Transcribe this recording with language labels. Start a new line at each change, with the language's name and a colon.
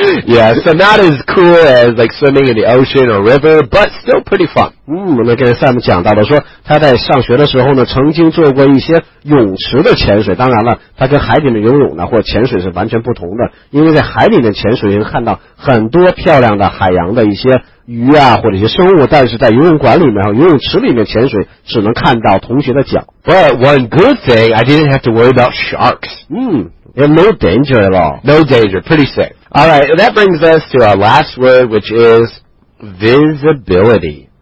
English: Yeah, so not as cool as like swimming in the ocean or river, but still pretty fun.
Chinese: 那刚才Sam讲到了说他在上学的时候呢曾经做过一些泳池的潜水，当然了他跟海底的游泳呢或潜水是完全不同的，因为在海底的潜水能看到很多漂亮的海洋的一些鱼啊或者一些生物，但是在游泳馆里面和游泳池里面潜水只能看到同学的脚。
English: But one good thing, I didn't have to worry about sharks. And no danger at all. No danger, pretty safe. Alright, that brings us to our last word, which is visibility.